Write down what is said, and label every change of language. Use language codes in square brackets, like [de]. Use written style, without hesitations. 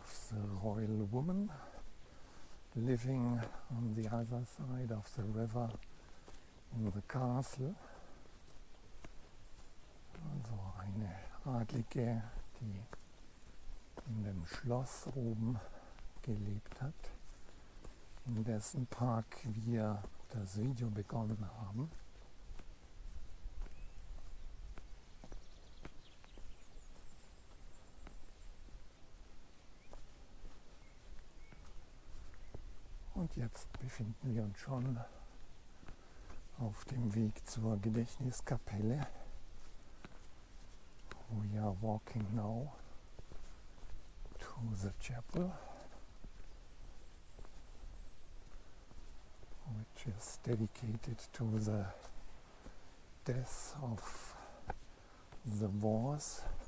[en] The royal woman living on the other side of the river in the castle. [de] Also eine Adlige, die in dem Schloss oben gelebt hat, in dessen Park wir das Video begonnen haben. Und jetzt befinden wir uns schon auf dem Weg zur Gedächtniskapelle. [en] We are walking now to the chapel, which is dedicated to the death of the Wars.